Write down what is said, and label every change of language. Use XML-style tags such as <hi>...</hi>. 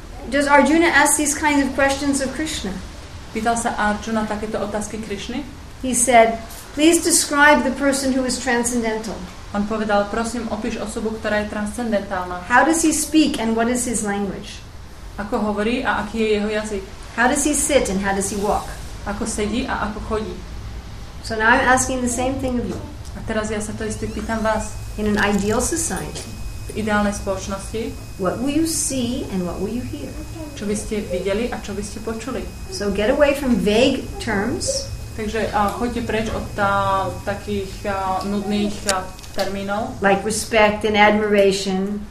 <en>Does Arjuna ask these kinds of questions of Krishna?</en> <sk>Pýtal sa Arjuna takéto otázky Krishny?</sk> <en>He said, please describe the person who is transcendental.</en> <sk>On povedal, prosím, opíš osobu, ktorá je transcendentálna.</sk> <en>How does he speak and what is his language?</en> <sk>Ako hovorí a aký je jeho jazyk?</sk> <en>How does he sit and how does he walk?</en> <sk>Ako sedí a ako chodí?</sk> <en>So now I'm asking the same thing of you.</en> <sk>A teraz ja sa to isté pýtam vás.</sk> <en>In an ideal society,</en> <sk>v ideálnej spoločnosti,</sk> <en>what will you see and what will you hear?</en> <sk>Čo by ste videli a čo by ste počuli?</sk> <en>So get away from vague terms.</en> <sk>Takže choďte preč od takých nudných termínov.</sk> <en>Like respect and admiration.</en>